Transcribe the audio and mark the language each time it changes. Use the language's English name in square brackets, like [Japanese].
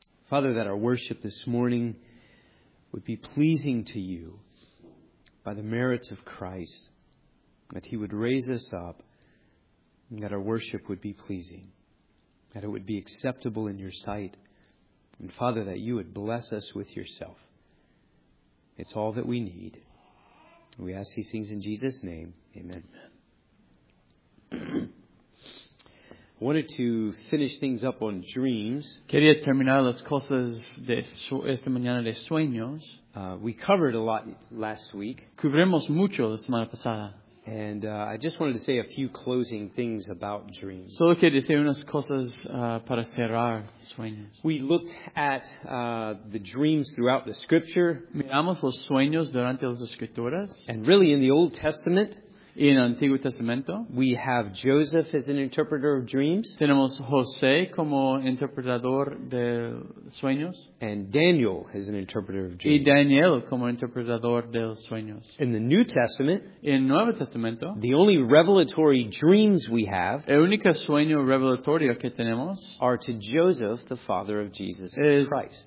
[English] Father, that our worship this morning would be pleasing to you by the merits of Christ, that he would raise us up, and that our worship would be pleasing, that it would be acceptable in your sight. And Father, that you would bless us with yourself. It's all that we need. We ask these things in Jesus' name. Amen. I wanted to finish things up on dreams. [Spanish] Quería terminar las cosas de esta mañana de sueños. [English] We covered a lot last week. [Spanish] Cubrimos mucho la semana pasada. [English] And I just wanted to say a few closing things about dreams. [Spanish] Solo quería decir unas cosas para cerrar sueños. [English] We looked at the dreams throughout the scripture. [Spanish] Miramos los sueños durante las escrituras. [English] And really in the Old Testament. [Spanish] En el Antiguo Testamento. [English] We have Joseph as an interpreter of dreams. [Spanish] Tenemos José como interpretador de sueños. [English] And Daniel as an interpreter of dreams. [Spanish] Y Daniel como interpretador de los sueños. [English] In the New Testament. [Spanish] En el Nuevo Testamento. [English] The only revelatory dreams we have. [Spanish] El único sueño revelatorio que tenemos. [English] Are to Joseph, the father of Jesus Christ.